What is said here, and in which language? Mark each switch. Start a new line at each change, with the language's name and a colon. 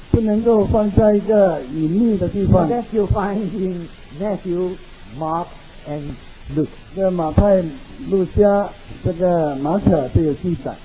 Chinese: 不能够放在一个隐秘的地方。
English: That you find in Matthew, Mark, and Luke.
Chinese: 这马太、路加、这个马可都有记载。